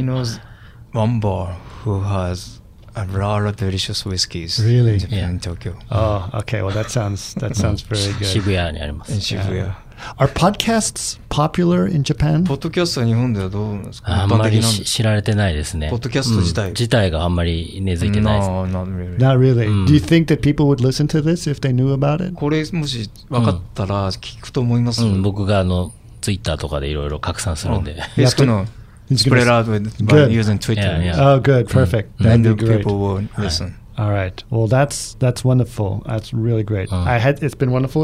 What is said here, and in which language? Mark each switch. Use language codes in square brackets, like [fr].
[en] He knows one bar who has a lot of delicious whiskeys. Really? Japan, Tokyo. Oh, okay. Well, that sounds very good. [ja] 渋谷にあります。 [en] In Shibuya. Are podcasts popular in Japan? [ja] ポッドキャストは日本ではどうなんですか？あんまり知られてないですね。ポッドキャスト自体、自体があんまり根付いてないです。 [en] No, not really. Not really.、Do you think that people would listen to this if they knew about it? [ja] これもし分かったら聞くと思います。僕があの、ツイッターとかでいろいろ拡散するんで。 [en] Oh, he's gonna spread it out by using Twitter. Yeah, yeah. Oh, good, perfect. Then people will listen. All right. Well, that's wonderful. That's really great. It's been wonderful.